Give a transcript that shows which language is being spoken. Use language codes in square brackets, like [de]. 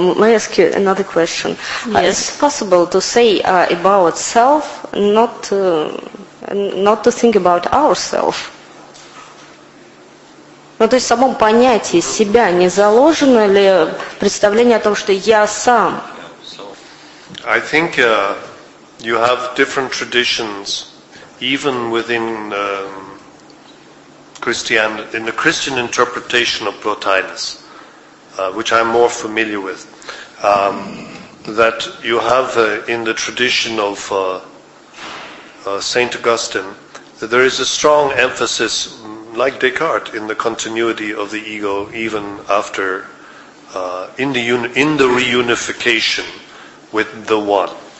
[en] May I ask you another question? Yes. Is it possible to say about self, not to think about ourselves? [ru] Ну, то есть в самом понятии себя не заложено ли представление о том, что я сам? [en] I think you have different traditions, even within... in the Christian interpretation of Plotinus, which I'm more familiar with, that you have in the tradition of Saint Augustine, that there is a strong emphasis, like Descartes, in the continuity of the ego, even after in the reunification with the One.